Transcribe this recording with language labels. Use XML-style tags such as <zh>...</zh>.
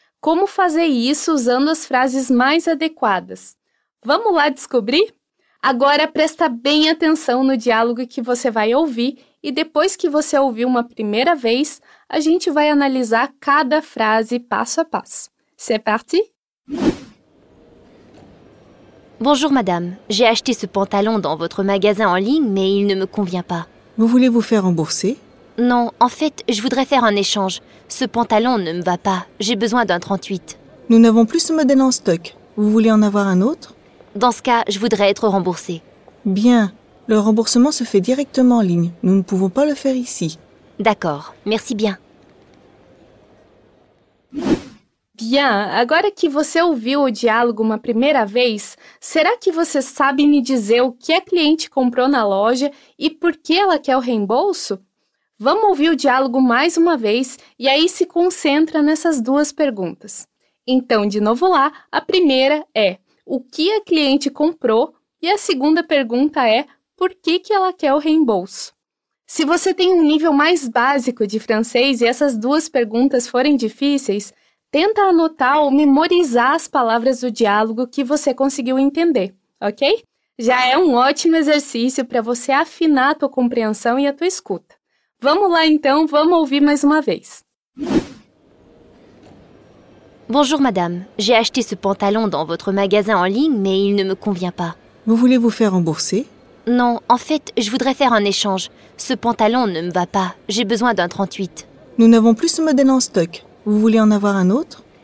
<pt>Como fazer isso usando as frases mais adequadas? Vamos lá descobrir? Agora presta bem atenção no diálogo que você vai ouvir e depois que você ouvir uma primeira vez, a gente vai analisar cada frase passo a passo.</pt> <fr>C'est parti? Bonjour madame, j'ai acheté ce pantalon dans votre magasin en ligne mais il ne me convient pas. Vous voulez vous faire rembourser? Non, en fait, je voudrais faire un échange. Ce pantalon ne me va pas, j'ai besoin d'un 38. Nous n'avons plus ce modèle en stock, vous voulez en avoir un autre? Dans ce cas, je voudrais être remboursée. Bien, le remboursement se fait directement en ligne, nous ne pouvons pas le faire ici. D'accord, merci bien.</fr> <pt>Bien, agora que você ouviu o diálogo uma primeira vez, será que você sabe me dizer o que a cliente comprou na loja e por que ela quer o reembolso? Vamos ouvir o diálogo mais uma vez e aí se concentra nessas duas perguntas. Então, de novo lá, a primeira é o que a cliente comprou e a segunda pergunta é por que que ela quer o reembolso? Se você tem um nível mais básico de francês e essas duas perguntas forem difíceis, tenta anotar ou memorizar as palavras do diálogo que você conseguiu entender, ok? Já é um ótimo exercício para você afinar a tua compreensão e a tua escuta. Vamos lá então, vamos ouvir mais uma vez.</pt> <fr>Bonjour madame, j'ai acheté ce pantalon dans votre magasin en ligne, mais il ne me convient pas. Vous voulez vous faire rembourser? Non, en fait, je voudrais faire un échange. Ce pantalon ne me va pas, j'ai besoin d'un 38. Nous n'avons plus ce modèle en stock. Vous voulez en avoir un autre?</fr>